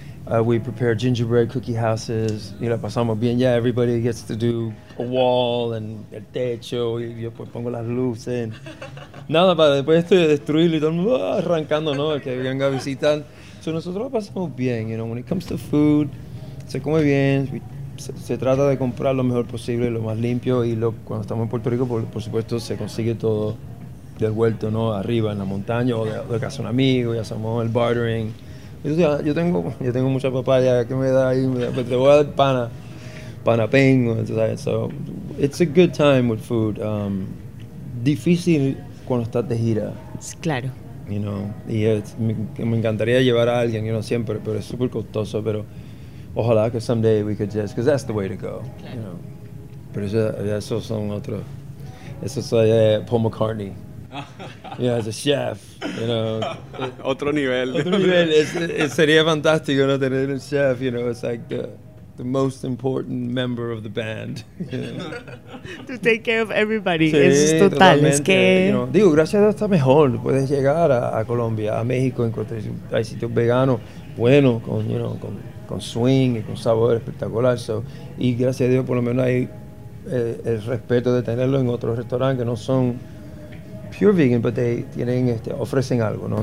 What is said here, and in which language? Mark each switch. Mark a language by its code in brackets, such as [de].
[en] We prepare gingerbread cookie houses. [es] Y la pasamos bien. [en] Yeah, everybody gets to do a wall and [es] el techo. Y yo pues pongo las luces. [en] And [es] nada, para después esto de destruirlo y todo el mundo arrancando, ¿no? Que venga a visitar. [en] So [es] nosotros la pasamos bien, [en] you know. When it comes to food, [es] se come bien. Se trata de comprar lo mejor posible, lo más limpio. Y lo, cuando estamos en Puerto Rico, por supuesto, se consigue todo devuelto, ¿no? Arriba, en la montaña, o de casa un amigo. Ya hacemos el bartering. Yo tengo mucha papaya que me da ahí, pero te voy a dar pana pingo, ¿sabes? [en] So, it's a good time with food. [es] Difícil cuando estás de gira. Claro. [en] You know, [es] y me encantaría llevar a alguien, [en] you know, [es] siempre, pero es súper costoso, pero ojalá que [en] someday we could just, because that's the way to go. [es] Claro. [en] You know. [es] Pero eso son otros, eso es Paul McCartney. [en] Yeah, as a chef, you know. [es] Otro nivel. Otro nivel. [en] It [es] sería fantástico, ¿no? Tener un chef, [en] you know. It's like the most important member of the band. You know? To take care of everybody. [es] Sí, es total. Totalmente. Es que. [en] You know, [es] digo, gracias a Dios está mejor. Puedes llegar a Colombia, a México, encontrar hay sitios veganos buenos con, [en] you know, [es] con swing y con sabor espectacular. So, y gracias a Dios, por lo menos hay el respeto de tenerlo en otros restaurantes que no son [en] pure vegan, but they [es] tienen ofrecen algo, ¿no?